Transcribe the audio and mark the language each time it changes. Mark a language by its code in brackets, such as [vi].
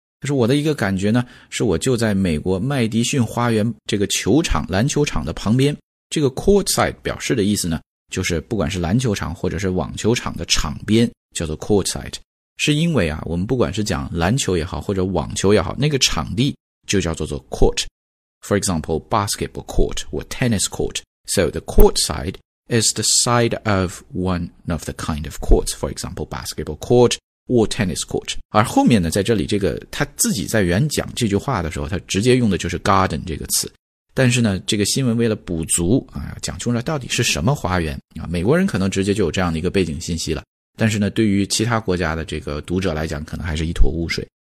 [zh] 他说我的一个感觉呢是我就在美国麦迪逊花园这个球场篮球场的旁边。这个 courtside 表示的意思呢就是不管是篮球场或者是网球场的场边叫做 courtside。是因为啊我们不管是讲篮球也好或者网球也好那个场地就叫做 court。 [en] For example, basketball court or tennis court. So the court side is the side of one of the kind of courts. For example, basketball court or tennis court. [zh] 而后面呢在这里这个他自己在原讲这句话的时候他直接用的就是 garden 这个词。但是呢这个新闻为了补足啊讲出来到底是什么花园啊美国人可能直接就有这样的一个背景信息了。但是呢对于其他国家的这个读者来讲可能还是一坨污水。